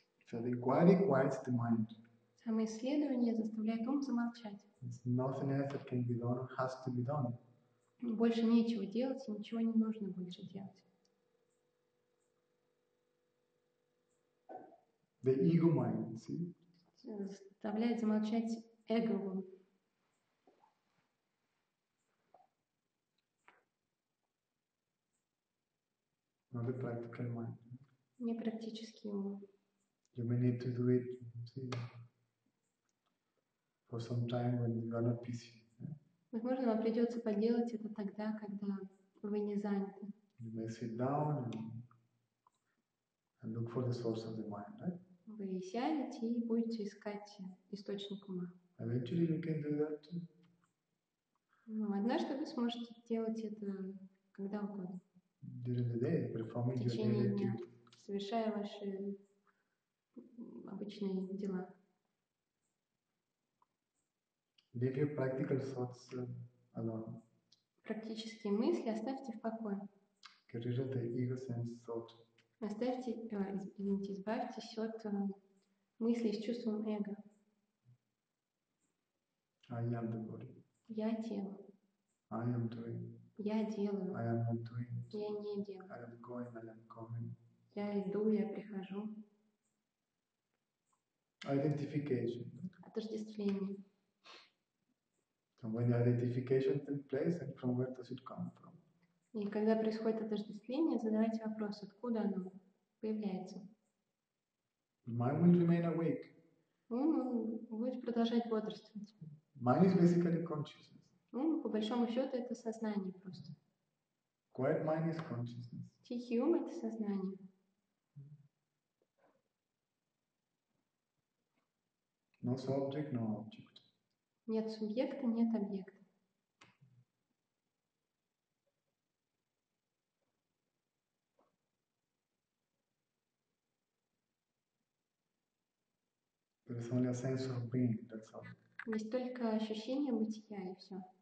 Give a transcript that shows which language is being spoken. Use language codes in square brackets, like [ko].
[en] So the inquiry quiets the mind. [ru] Самоисследование заставляет ум замолчать. [en] It's nothing else that can be done, has to be done. [ru] Больше нечего делать, и ничего не нужно больше делать. [en] The ego mind, see? [ru] Заставляет замолчать эго. [en] Not the practical mind. [ru] Не практический ум. [en] You may need to do it, see, for some time when you are not busy. [ru] Возможно, вам придется поделать это тогда, когда вы не заняты. [en] You may sit down and look for the source of the mind, right? [ru] Вы сядете и будете искать источник ума. [en] Eventually you can do that too. [ru] Ну, однажды вы сможете делать это когда угодно. [en] During the day, performing your daily duty. [ru] Совершая ваши обычные дела. [en] Leave your practical thoughts alone. [ru] Практические мысли оставьте в покое. [en] Get rid of the ego sense thought. [ru] Оставьте, извините, избавьтесь от мыслей с чувством эго. [en] I am the body. [ru] Я тело. [en] I am doing. [ru] Я делаю. [en] I am not doing. [ru] Я не делаю. [en] I am going, I am coming. [ru] Я иду, я прихожу. [en] Identification. [ru] Отождествление. [en] And when the identification takes place, and from where does it come from? [ru] И когда происходит отождествление, задавайте вопрос, откуда оно появляется. [en] Mind will remain awake. [ru] Ум будет продолжать бодрствовать. [en] Mind is basically consciousness. [ru] Ум, по большому счету, это сознание просто. [en] Quiet mind is consciousness. [ru] Тихий ум – это сознание. [en] No subject, no object. [ru] Нет субъекта, нет объекта. [en] There's only a sense of being, that's all. [ru] Есть только ощущение бытия и все.